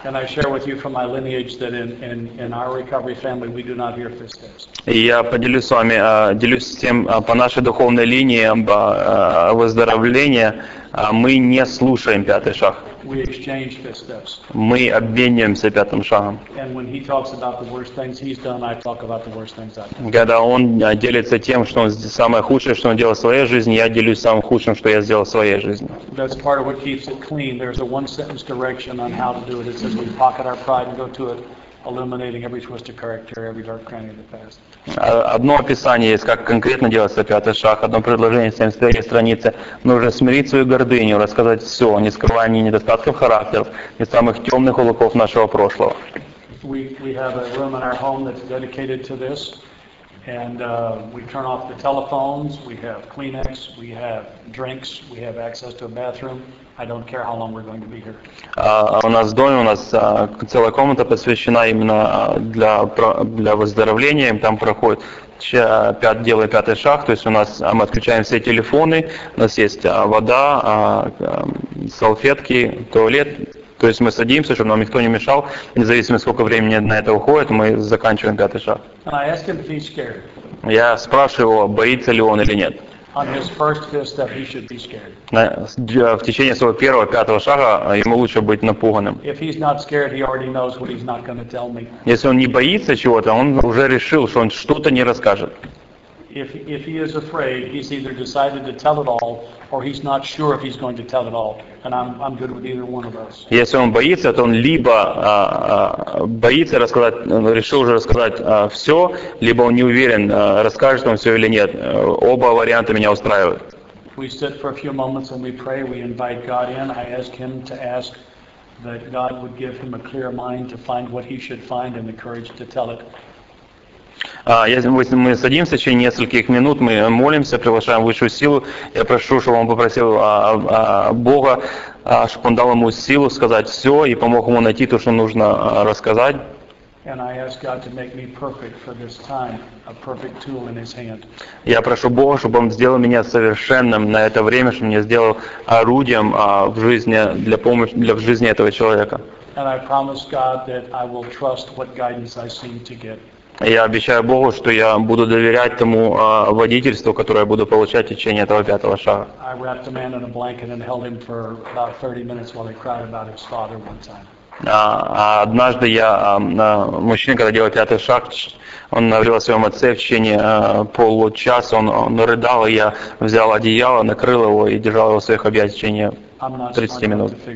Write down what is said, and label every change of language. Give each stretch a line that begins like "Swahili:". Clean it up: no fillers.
Russian: Я поделюсь с вами, делюсь с тем, по нашей духовной линии выздоровления, мы не слушаем пятый шаг.
English: We exchange fifth steps.
Russian: Мы обмениваемся пятым шагом.
English: And when he talks about the worst things he's done, I talk about the worst things I've done.
Russian: Когда он делится тем, что он самое худшее, что он делал в своей жизни, я делюсь самым худшим, что я сделал в своей жизни.
English: That's part of what keeps it clean. There's a one sentence direction on how to do it. It says we pocket our pride and go to it, illuminating every twist of character, every dark cranny of the past.
Russian: Одно описание есть, как конкретно делается пятый шаг, одно предложение, 73 страницы. Нужно смирить свою гордыню, рассказать все, не скрывая ни недостатков характеров, ни самых темных уголков нашего прошлого.
English: We have a room in our home that's dedicated to this, and we turn off the telephones, we have Kleenex, we have drinks, we have access to a bathroom. I don't care how long we're going to be here.
Russian: У нас в доме, у нас целая комната посвящена именно для выздоровления. Там проходит пятый шаг. То есть у нас мы отключаем все телефоны, у нас есть вода, салфетки, туалет. То есть мы садимся, чтобы нам никто не мешал. Независимо, сколько времени на это уходит, мы заканчиваем пятый шаг.
English: And I ask him if he's scared.
Russian: Я спрашиваю его, боится ли он или нет.
English: On his first fifth step, he should be scared.
Russian: В течение своего первого пятого шага ему лучше быть напуганным.
English: If he's not scared, he already knows what he's not going to tell me.
Russian: Если он не боится чего-то, он уже решил, что он что-то не расскажет.
English: If he is afraid, he's either decided to tell it all, or he's not sure if he's going to tell it all, and I'm good with either one of us.
Russian: Если он боится, то он либо боится рассказать, решил уже рассказать все, либо он не уверен, расскажет он все или нет. Оба варианта меня устраивают.
English: We sit for a few moments and we pray. We invite God in. I ask Him to ask that God would give him a clear mind to find what he should find and the courage to tell it.
Russian: Мы садимся, через нескольких минут мы молимся, приглашаем высшую силу. Я прошу, чтобы он попросил Бога, чтобы он дал ему силу сказать все и помог ему найти то, что нужно рассказать. Я прошу Бога, чтобы он сделал меня совершенным на это время, чтобы меня сделал орудием в жизни для помощи для в жизни этого человека.
English: And I promise God that I will trust what guidance I seem to get.
Russian: Я обещаю Богу, что я буду доверять тому водительству, которое я буду получать в течение этого пятого шага.
English: I wrapped a man in a blanket and held him for about 30 minutes while he cried about his father one time.
Russian: Однажды я, мужчина, когда делал пятый шаг, он говорил о своем отце в течение получаса, он рыдал, и я взял одеяло, накрыл его и держал его в своих объятиях в течение 30 минут.